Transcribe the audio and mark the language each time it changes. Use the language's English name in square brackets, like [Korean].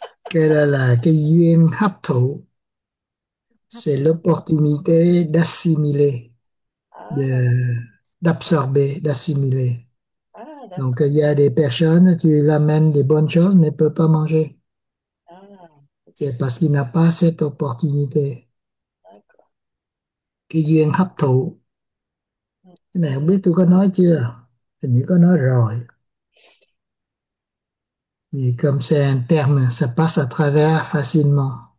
[Vietnamese] Cái đó là cái duyên hấp thụ. [French] C'est l'opportunité d'assimiler, d'absorber, d'assimiler. Ah, Donc, d'accord. il y a des personnes, tu l'amènes des bonnes choses, mais ne peut pas manger. Ah, C'est parce qu'il n'a pas cette opportunité. d'accord. [Vietnamese] Cái duyên hấp thụ. Cái này không biết tôi có nói chưa? Hình như có nói rồi. Vì [French] comme c'est un terme, ça passe à travers facilement.